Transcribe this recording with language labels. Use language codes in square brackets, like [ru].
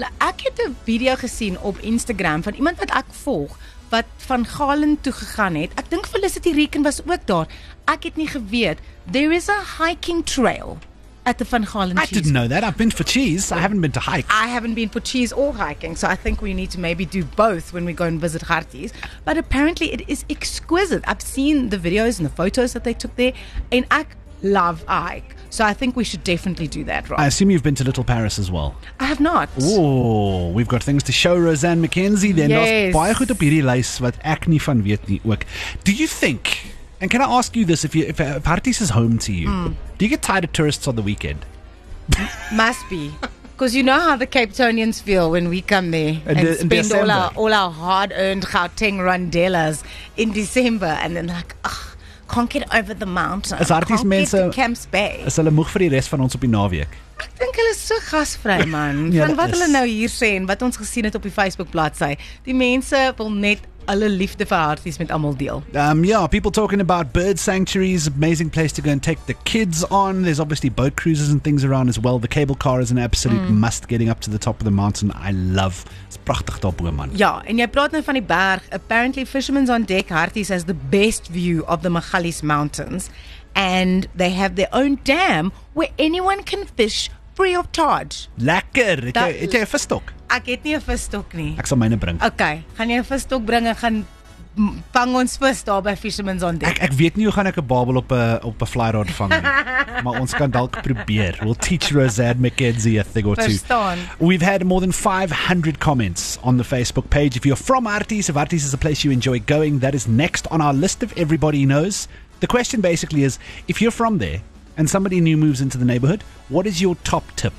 [af] Ek het 'n video gesien op Instagram van iemand wat ek volg, wat van Garland toe gegaan het. Ek dink Felicity Reken was ook daar. Ek het nie geweet. [en] There is a hiking trail at the Van Garland Cheese. I didn't know that. I've been for cheese. I haven't been to hike. I haven't been for cheese or hiking. So I think we need to maybe do both when we go and visit Harties. But apparently it is exquisite. I've seen the videos and the photos that they took there. And ek love a hike. So I think we should definitely do that, right? I assume you've been to Little Paris as well. I have not. Oh, we've got things to show Roseanne McKenzie then. Yes. [af] Daar's baie goed op hierdie lys wat ek nie van weet nie ook. [en] Do you think, and can I ask you this, if Harties is home to you, do you get tired of tourists on the weekend? Must be. Because you know how the Cape Townians feel when we come there and spend all our hard-earned Gauteng rondellas in December and then like, ugh. Can't get over the mountain. Can't get to Camps Bay. [af] Is hulle moeg vir die res van ons op die naweek? Ek dink hulle is so gasvry, man. Ja, van wat is hulle nou hier sê en wat ons gesien het op die Facebook bladsy. Die mense wil net hulle liefde vir Harties met almal deel. [en] People talking about bird sanctuaries, amazing place to go and take the kids on. There's obviously boat cruises and things around as well. The cable car is an absolute must getting up to the top of the mountain. I love. It's prachtig daar bo, man. [af] Ja, en jy praat nou van die berg. [en] Apparently, Fisherman's on Deck Harties has the best view of the Magalies Mountains. And they have their own dam where anyone can fish free of charge. [af] Lekker. Het jy 'n visstok? Ek het nie 'n visstok nie. Ek sal myne bring. Okay, gaan jy 'n visstok bring en gaan vang ons vis daar by Fisherman's on Deck? Ek weet nie hoe gaan ek 'n babel op 'n fly rod vang nie. Maar ons kan dalk probeer. [en] We'll teach Roseanne McKenzie a thing or two. [af] Verstaan. [en] We've had more than 500 comments on the Facebook page. If you're from Harties, if Harties is a place you enjoy going, that is next on our list of Everybody Knows. The question basically is, if you're from there and somebody new moves into the neighborhood, what is your top tip?